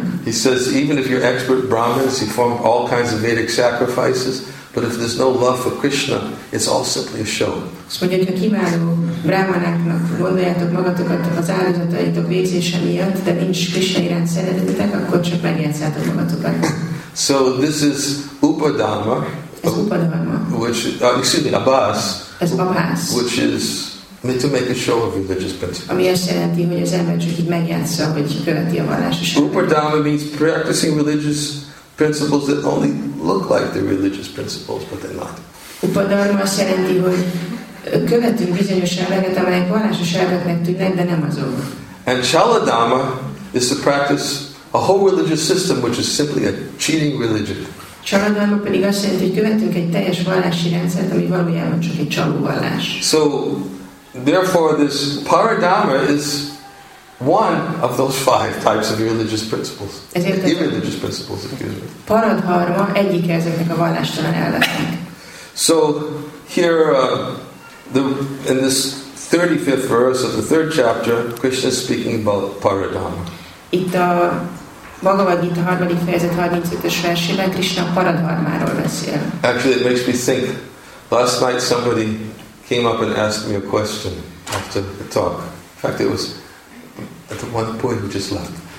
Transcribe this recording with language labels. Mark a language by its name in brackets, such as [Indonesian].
[English] He says, even if you're expert Brahmins, you form all kinds of Vedic sacrifices, but if there's no love for Krishna, it's all simply a show. [Hungarian] Mondja, hogy a kiváló brámanáknak gondoljátok magatokat az áldozataitok végzése miatt, de nincs Krishna iránt szeretetetek, akkor csak megjátszátok magatokat. [English] So this is Upadharma. [Hungarian] Ez Upadharma. [English] Abhas. [Hungarian] Ez Abhas. [English] Which is meant to make a show of religious principles. [Hungarian] Ami azt jelenti, hogy az ember csak így megjátsza, hogy követi a vallásosságot. [English] Upadharma means practicing religious principles that only look like the religious principles, but they're not. [Hungarian] Upadharma azt jelenti, hogy követünk bizonyos elveket, amelyek vallásos elveknek tűnnek, de nem azok. [English] And Chaladharma is to practice a whole religious system which is simply a cheating religion. [Hungarian] Chaladharma pedig azt jelenti, hogy követünk egy teljes vallási rendszert, ami valójában csak egy csaló vallás. [English] So, therefore, this Paradharma is one of those five types of irreligious principles. Irreligious principles, excuse me. [Hungarian] Paradharma egyik ezeknek a vallástalan elveknek. [English] So, here, in this 35th verse of the third chapter, Krishna is speaking about Paradharma. [Hungarian] Itt a Bhagavad Gita harmadik fejezet 35-ös versében Krishna Paradharmáról beszél. [English] Actually, it makes me think. Last night somebody came up and asked me a question after the talk. In fact, it was at the one boy who just left.